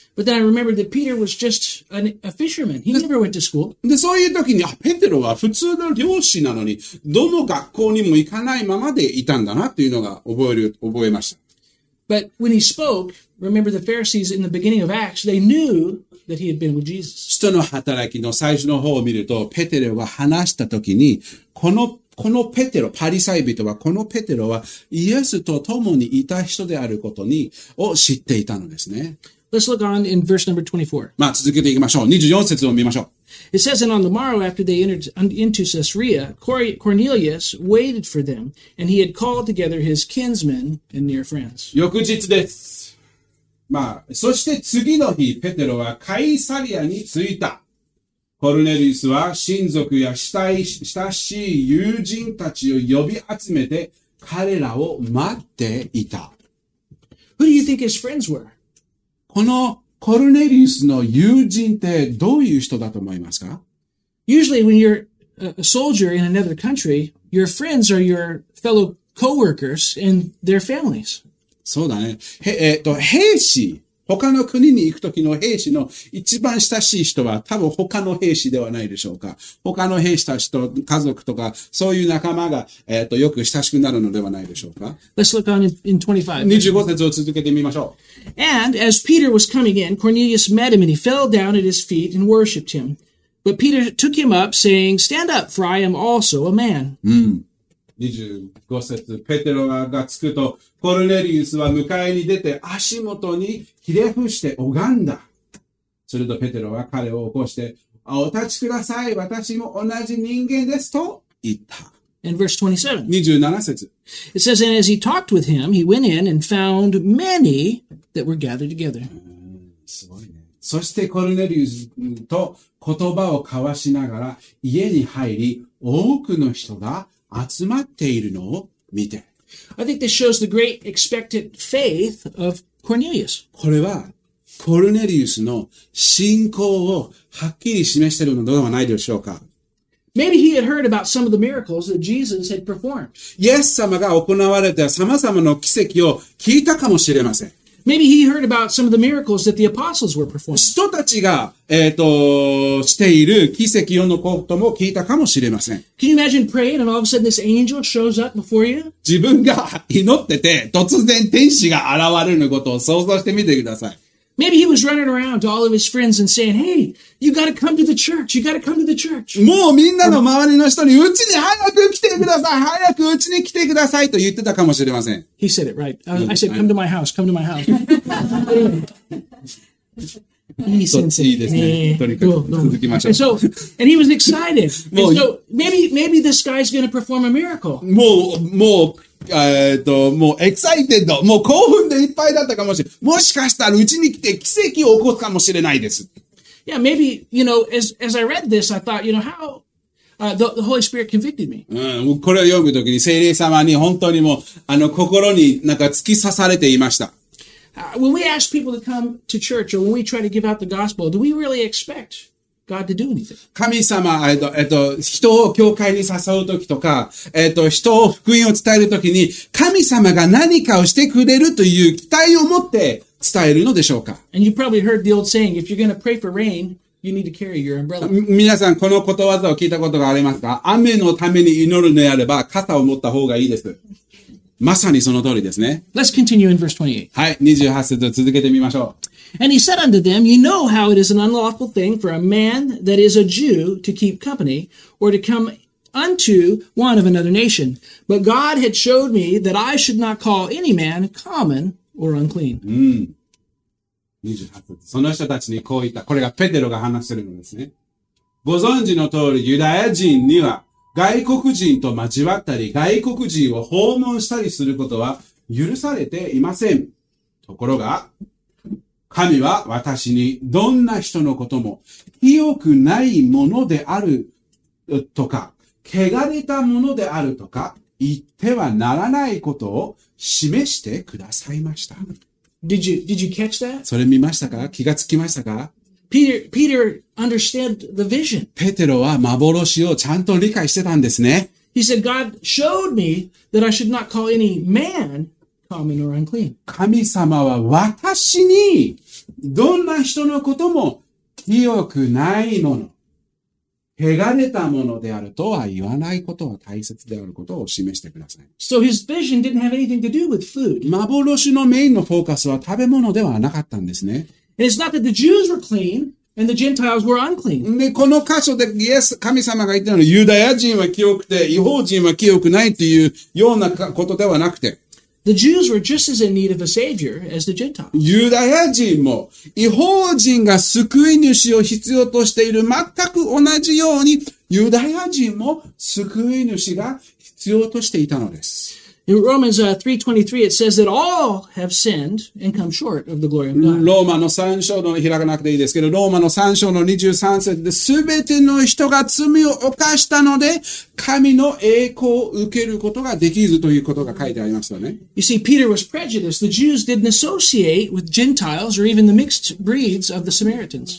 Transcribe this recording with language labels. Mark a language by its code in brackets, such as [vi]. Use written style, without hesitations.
[en] But then I remembered that Peter was just a fisherman. He never went to school. [ja] で、そういう時にペテロは普通の漁師なのにどの学校にも行かないままでいたんだなっていうのが覚えました。 [en] But when he spoke, remember the Pharisees in the beginning of Acts, they knew. That he had been with Jesus. [ja] 人の働きの最初の方を見ると、ペテロが話したときに、このペテロ、パリサイ人は、このペテロはイエスと共にいた人であることにを知っていたのですね。 [en] Let's look on in verse number 24. [ja] まあ続けていきましょう。 24節を見ましょう。 [en] It says, and on the morrow after they entered into Caesarea, Cornelius waited for them, and he had called together his kinsmen and near friends. [ja] 翌日です。まあ、そして次の日、ペテロはカイサリアに着いた。コルネリウスは親族や親しい友人たちを呼び集めて彼らを待っていた。 [en] Who do you think his friends were? [ja] このコルネリウスの友人ってどういう人だと思いますか? [en] Usually when you're a soldier in another country, your friends are your fellow co-workers and their families. [ja] そうだね。兵士、他の国に行くときの兵士の一番親しい人は多分他の兵士ではないでしょうか。他の兵士たちと家族とか、そういう仲間が、よく親しくなるのではないでしょうか。 [en] Let's look on in 25. [ja] 25節を続けてみましょう。 [en] And as Peter was coming in, Cornelius met him and he fell down at his feet and worshipped him. But Peter took him up, saying, Stand up, for I am also a man. [ja] うん。 25節、ペテロが着くと、コルネリウスは迎えに出て足元にひれ伏して拝んだ。するとペテロは彼を起こして、お立ちください、私も同じ人間ですと言った。 [en] And verse 27. [ja] 27節。 [en] It says, and as he talked with him, he went in and found many that were gathered together. [ja] すごいね。そしてコルネリウスと言葉を交わしながら家に入り、多くの人が集まっているのを見て。 [en] I think this shows the great expected faith of Cornelius. [ja] これは、コルネリウスの信仰をはっきり示しているのではないでしょうか。 [en] Maybe he had heard about some of the miracles that Jesus had performed. [ja] イエス様が行われた様々な奇跡を聞いたかもしれません。 [en] Maybe he heard about some of the miracles that the apostles were performing. [ja] 人たちが、している奇跡のことも聞いたかもしれません。 [en] Can you imagine praying and all of a sudden this angel shows up before you? [ja] 自分が祈ってて突然天使が現れることを想像してみてください。 [en] Maybe he was running around to all of his friends and saying, Hey, you gotta come to the church, you gotta come to the church. [ja] もうみんなの周りの人に、うちに早く来てください早くうちに来てくださいと言ってたかもしれません。 [en] He said it right. I said, come to my house, come to my house. [ja] いい先生。いいですね。とにかく続きましょう。 [en] And he was excited. So, maybe this guy's gonna perform a miracle. [ja] もう、もうエキサイテッド、もう興奮でいっぱいだったかもしれない。もしかしたらうちに来て奇跡を起こすかもしれないです。 [en] Yeah, maybe, you know, as I read this, I thought, you know, how, the Holy Spirit convicted me. [ja] うん、これを読むときに聖霊様に本当にもう、心になんか突き刺されていました。 [en] When we ask people to come to church or when we try to give out the gospel, do we really expect God to do anything? [ja] 神様、人を教会に誘うときとか、人を福音を伝えるときに、神様が何かをしてくれるという期待を持って伝えるのでしょうか? [en] And you probably heard the old saying, if you're going to pray for rain, You need to carry your umbrella. [ja] 皆さん、このことわざを聞いたことがありますか？雨のために祈るのであれば、傘を持った方がいいです。まさにその通りですね。 [en] Let's continue in verse 28. [ja] はい、28節を続けてみましょう。 [en] And he said unto them, You know how it is an unlawful thing for a man that is a Jew to keep company or to come unto one of another nation. But God had showed me that I should not call any man common or unclean.、 [ja] うん、28節。その人たちにこう言った。これがペテロが話してるのですね。ご存知の通り、ユダヤ人には外国人と交わったり、外国人を訪問したりすることは許されていません。ところが、神は私にどんな人のことも、清くないものであるとか、汚れたものであるとか、言ってはならないことを示してくださいました。 [en] Did you catch that? [ja] それ見ましたか？気がつきましたか？ [en] Peter understood the vision. [ja] ペテロは幻をちゃんと理解してたんですね。 [en] He said, God showed me that I should not call any man common or unclean. [ja] 神様は私にどんな人のことも清くないもの、汚れたものであるとは言わないことは大切であることを示してください。 [en] So his vision didn't have anything to do with food. [ja] 幻のメインのフォーカスは食べ物ではなかったんですね。 [en] And it's not that the Jews were clean and the Gentiles were unclean. [ja] で、この箇所で、イエス、神様が言ってるのは、ユダヤ人は清くて、異邦人は清くないっていうようなことではなくて。 [en] The Jews were just as in need of a savior as the Gentiles. [ja] ユダヤ人も、異邦人が救い主を必要としている、全く同じように、ユダヤ人も救い主が必要としていたのです。 [en] In Romans 3:23, it says that all have sinned and come short of the glory of God. [ja] ローマの3章の開かなくていいですけど、ローマの3章の23節で、すべての人が罪を犯したので、神の栄光を受けることができずということが書いてありますよね。 [en] You see, Peter was prejudiced. The Jews didn't associate with Gentiles or even the mixed breeds of the Samaritans.